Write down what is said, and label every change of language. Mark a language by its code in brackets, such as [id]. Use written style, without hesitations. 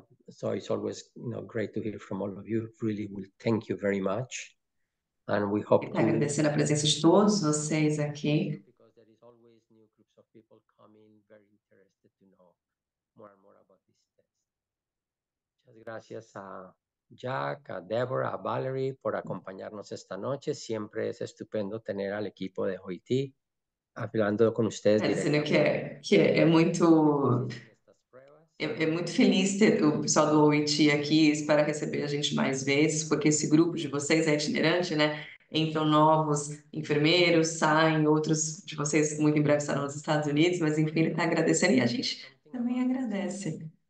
[en] So it's always, you know, great to hear from all of you. Really, we thank you very much. And we hope [pt] to... Agradecendo a presença de todos vocês aqui. [en] Because there is always new groups of people coming, very interested to know more and more about this test. [es] Muchas gracias a Jack, a Deborah, a Valerie por acompañarnos esta noche. Siempre es estupendo tener al equipo de OIT hablando con ustedes. [pt] Está dizendo que é muito... É muito feliz ter o pessoal do OIT aqui, espero receber a gente mais vezes, porque esse grupo de vocês é itinerante, né? Entram novos enfermeiros, saem outros de vocês muito em breve estarão nos Estados Unidos, mas enfim, ele está agradecendo e a gente também agradece.